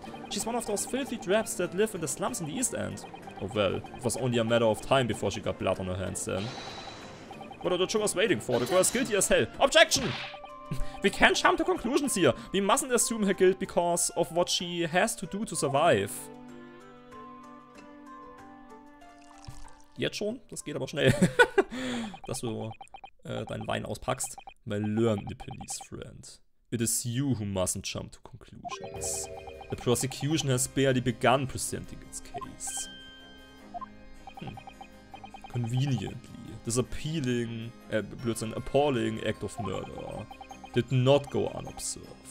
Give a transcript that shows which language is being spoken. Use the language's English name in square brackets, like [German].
[English] She's one of those filthy traps that live in the slums in the East End. Oh well, it was only a matter of time before she got blood on her hands then. What are the jurors waiting for? The girl is guilty as hell. Objection! We can't jump to conclusions here. We mustn't assume her guilt because of what she has to do to survive. [German] Jetzt schon? Das geht aber schnell. Dass du deinen Wein auspackst. [English] My learned Nipponese friend. It is you who mustn't jump to conclusions. The prosecution has barely begun presenting its case. Conveniently, this appealing, appalling act of murder did not go unobserved.